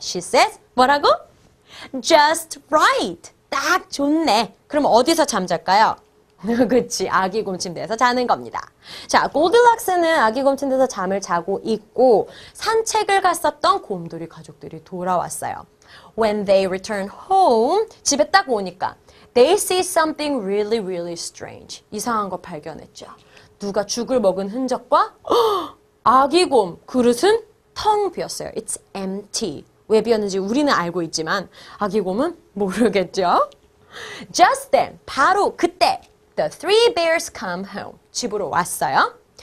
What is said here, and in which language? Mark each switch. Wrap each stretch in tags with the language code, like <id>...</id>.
<en>She says,</en> <ko>뭐라고?</ko> <en>Just right.</en> <ko>딱 좋네. 그럼 어디서 잠 잘까요? 그치, 아기 곰 침대에서 자는 겁니다. 자, 골드락스는 아기 곰 침대에서 잠을 자고 있고, 산책을 갔었던 곰돌이 가족들이 돌아왔어요.</ko> <en>When they return home,</en> <ko>집에 딱 오니까,</ko> <en>they see something really, really strange.</en> <ko>이상한 거 발견했죠. 누가 죽을 먹은 흔적과, 아기 곰 그릇은 텅 비었어요.</ko> <en>It's empty.</en> <ko>왜 비었는지 우리는 알고 있지만, 아기 곰은 모르겠죠?</ko> <en>Just then,</en> <ko>바로 그때,</ko> <en>The three bears come home.</en> <ko>집으로 왔어요.</ko>